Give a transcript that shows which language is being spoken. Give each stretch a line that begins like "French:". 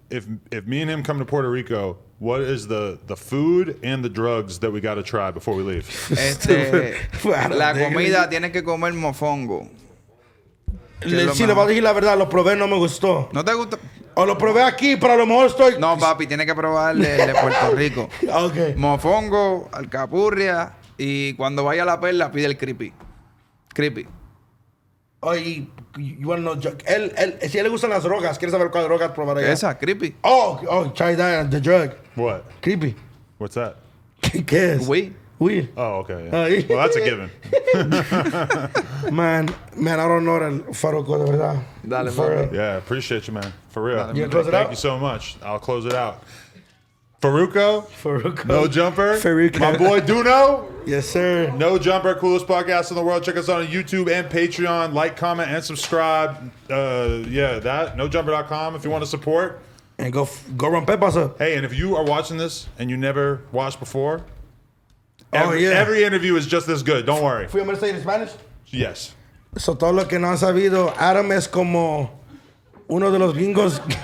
English: If me and him come to Puerto Rico, what is the food and the drugs that we got to try before we leave?
Spanish: La comida tiene que comer mofongo. Sí, le voy a decir la verdad, lo probé, no me gustó. ¿No te gustó? O lo probé aquí, pero a lo mejor estoy... No, papi, tiene que probar el de Puerto Rico. Ok. Mofongo, alcapurria, y cuando vaya a La Perla, pide el creepy. Creepy. Oye, bueno, si a él le gustan las drogas, ¿quieres saber cuál droga probaré? Esa, creepy.
English: Oh, try that, the drug. What? Creepy. What's that?
Spanish: ¿Qué es?
English: Weed. Weed. Oh, okay. Yeah. Well, that's a given. Man, I don't know that Faruco,
Spanish: de verdad. Dale,
English: for real. Yeah, appreciate you, man. For real. Dale, you close it thank out? You so much. I'll close it out. Faruco. Faruco. No Jumper. Faruco. My boy Duno. Yes, sir. No Jumper, coolest podcast in the world. Check us out on YouTube and Patreon. Like, comment, and subscribe. That, nojumper.com if you want to support. And go run Pepas up. Hey, and if you are watching this and you never watched before, Every interview is just as good. Don't worry.
Spanish: ¿Fui a Mercedes en Spanish?
English: Yes.
Spanish: So, todo lo que no han sabido, Adam es como uno de los gringos.